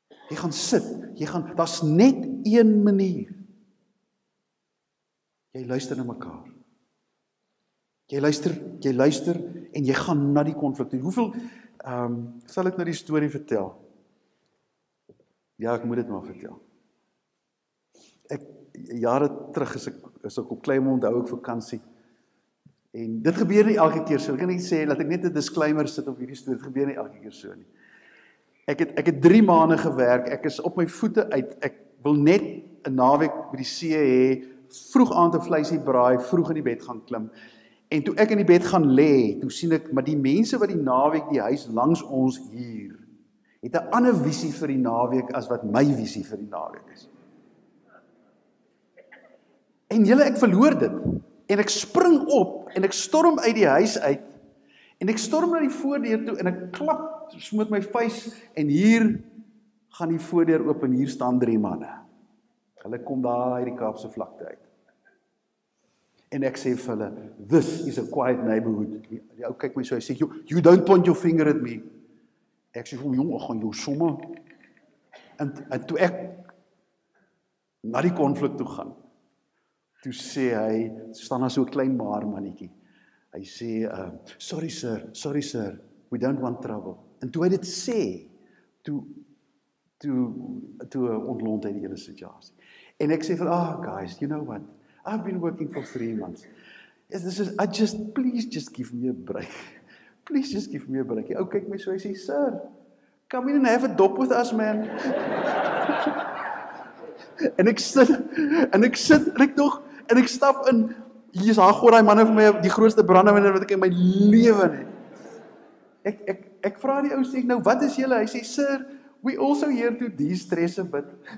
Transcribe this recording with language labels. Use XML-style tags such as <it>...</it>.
<af>Jy gaan sit, daar's net een manier. Jy luister na mekaar. Jy luister, en jy gaan na die konflik. Hoeveel, sal ek nou die story vertel? Ja, ek moet dit maar vertel. Ek, jare terug is ek op Kleinmond, hou ek vakantie, en dit gebeur nie elke keer so. Ek kan nie sê, laat ek net een disclaimer sit op hierdie story, dit gebeur nie elke keer so nie. Ek het 3 maande gewerk, ek is op my voete uit, ek wil net 'n naweek by die see hê, vroeg aan te vleisie braai, vroeg in die bed gaan klim, en toe ek in die bed gaan lê, toe sien ek, maar die mense wat die naweek die huis langs ons huur, het 'n ander visie vir die naweek as wat my visie vir die naweek is. En julle, ek verloor dit, en ek spring op, en ek storm uit die huis uit, en ek storm na die voordeur toe, en ek klap, smoot my vuist, en hier gaan die voordeur oop, en hier staan 3 manne. Hulle kom daar uit die Kaapse vlakte uit. En ek sê vir hulle,</af> <en>this is a quiet neighborhood.</en> <af>Die ou kyk my so, hy sê,</af> <en>you don't point your finger at me.</en> <af>Ek sê, jong, ek gaan jou somme. En toe ek na die konflik toe gaan, toe sê hy, staan daar so 'n klein baar mannetjie. Hy sê,</af> <en>sorry sir, we don't want trouble. En toe hy dit sê, toe ontlont hy die hele situasie.</en> <af>En ek sê van,</af> <en>ah, guys, you know what? I've been working for 3 months. Please just give me a break. Please just give me a break.</en> <af>Ou kyk my so, hy sê,</af> <en>sir, come in and have a dop with us, man.</en> <af>en ek stap in, hier is haar goor, die manne vir my, die grootste brandewinner wat ek in my lewe het. Ek vra die ou, sê ek, nou, wat is julle? Hy sê,</af> <en>sir, we also here to de-stress a bit.</en>